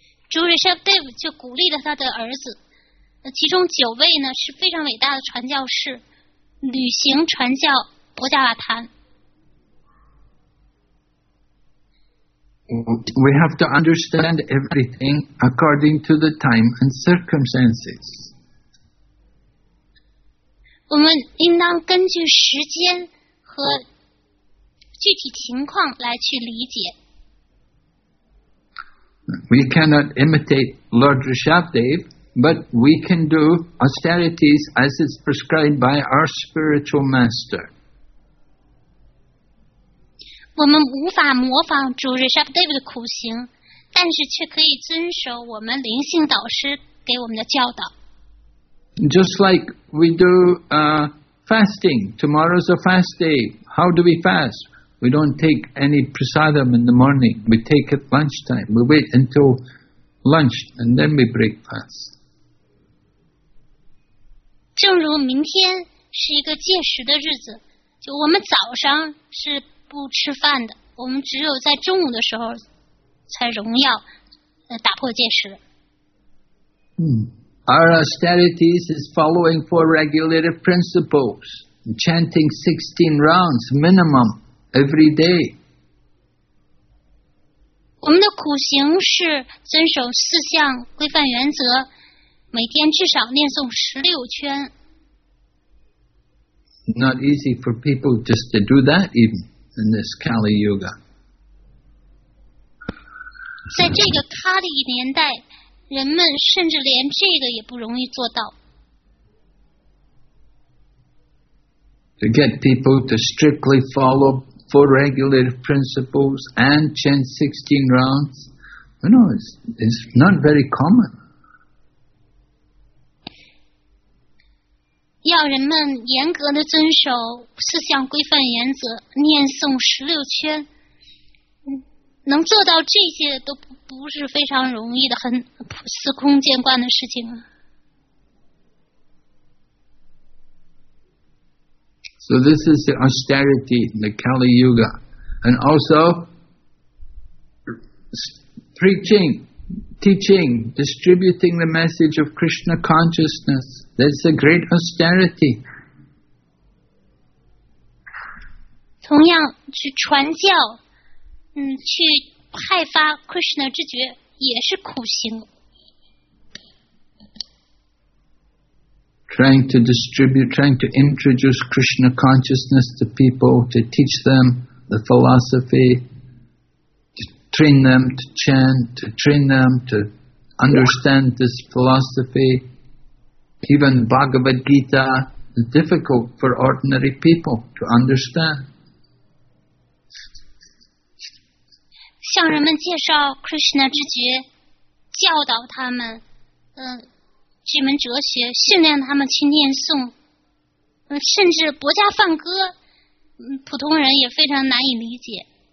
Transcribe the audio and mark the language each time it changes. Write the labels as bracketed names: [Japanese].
[Chinese] 主 Rishabhadev 就鼓励了他的儿子，其中九位呢是非常伟大的传教士，旅行传教博迦瓦坛。 [English] We have to understand everything according to the time and circumstances. [Chinese] 我们应当根据时间和具体情况来去理解。 [English] We cannot imitate Lord Rishabhadev, but we can do austerities as is prescribed by our spiritual master. [Chinese] 我们无法模仿主 Rishabhdev 的苦行，但是却可以遵守我们灵性导师给我们的教导。 [English] Just like we do fasting, tomorrow's a fast day. How do we fast? We don't take any prasadam in the morning. We take at lunchtime. We wait until lunch and then we break fast. [Chinese] 正如明天是一个戒食的日子，就我们早上是不吃饭的，我们只有在中午的时候才荣耀打破戒食。 [English] Our austerities is following four regulative principles, chanting 16 rounds minimum every day. [Chinese] 我们的苦行是遵守四项规范原则，每天至少念诵16圈。 [English] Not easy for people just to do that even in this Kali Yuga. [Chinese] 在这个卡利年代，人们甚至连这个也不容易做到。 [English] To get people to strictly follow four regulative principles and chant 16 rounds, you know, it's not very common. [Chinese] 要人们严格的遵守四项规范原则，念诵十六圈，能做到这些都不是非常容易的，很司空见惯的事情。 [English] So this is the austerity in the Kali Yuga. And also, preaching, teaching, distributing the message of Krishna consciousness, that's a great austerity. [Chinese] 同样去传教，去派发 Krishna 之觉也是苦行。 [English] Trying to introduce Krishna consciousness to people, to teach them the philosophy, to train them to chant, to train them to understand this philosophy. Even Bhagavad Gita is difficult for ordinary people to understand. [Chinese] 向人们介绍 Krishna 之觉，教导他们，这门哲学，训练他们去念诵，甚至《博伽梵歌》，普通人也非常难以理解。